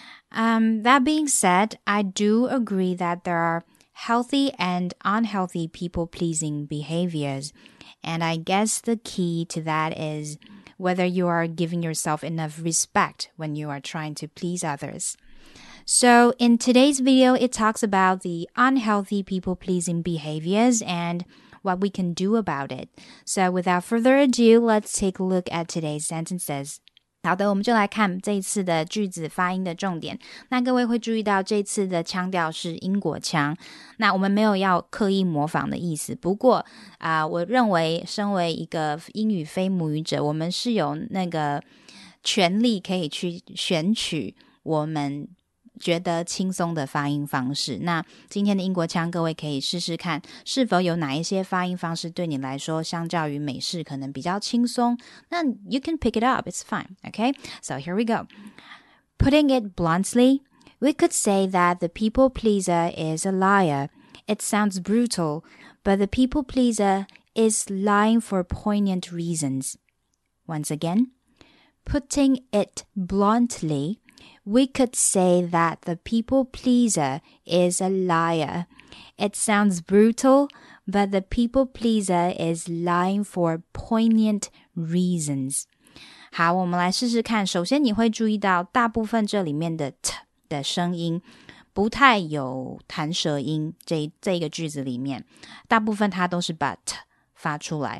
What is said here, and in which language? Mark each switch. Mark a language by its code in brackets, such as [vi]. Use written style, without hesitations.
[en] That being said, I do agree that there are healthy and unhealthy people-pleasing behaviors, and I guess the key to that is whether you are giving yourself enough respect when you are trying to please others. So in today's video, it talks about the unhealthy people-pleasing behaviors and what we can do about it. So without further ado, let's take a look at today's sentences. [zh] 好的，我们就来看这次的句子发音的重点。那各位会注意到这次的腔调是英国腔。那我们没有要刻意模仿的意思。不过，我认为身为一个英语非母语者，我们是有那个权利可以去选取我们觉得轻松的发音方式。那今天的英国腔各位可以试试看是否有哪一些发音方式对你来说相较于美式可能比较轻松。 [en] 那 you can pick it up, it's fine, okay? So here we go. Putting it bluntly, we could say that the people pleaser is a liar. It sounds brutal, but the people pleaser is lying for poignant reasons. Once again, putting it bluntly,We could say that the people pleaser is a liar. It sounds brutal, but the people pleaser is lying for poignant reasons. [zh] 好，我们来试试看。首先你会注意到大部分这里面的 t 的声音不太有弹舌音，这个句子里面大部分它都是把 t 发出来。